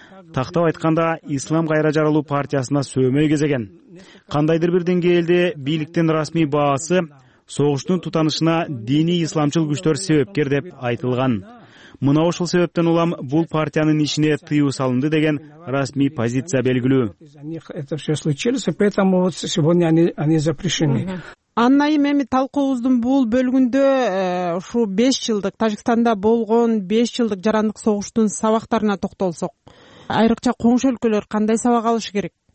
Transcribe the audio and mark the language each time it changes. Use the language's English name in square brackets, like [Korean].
[Kyrgyz] Тактап айтканда, Ислам кайра жаралуу партиясына сөөмөй кезеген. Кандайдыр бир деңгээлде бийликтин расмий баасы согуштун тутанышына диний исламчыл күчтөр себепкер деп айтылган. Мына ушул себептен улам бул партиянын ишине тыюу салынды деген расмий позиция белгилүү. [Russian] Это все случилось, поэтому вот сегодня они запрещены. [Kyrgyz] Анна эми талкуубуздун бул бөлүгүндө ушул 5 жылдык Тажикстанда болгон 5 жылдык жарандык согуштун сабактарына токтолсок, айрыкча коңшу өлкөлөр кандай сабак алышы керек?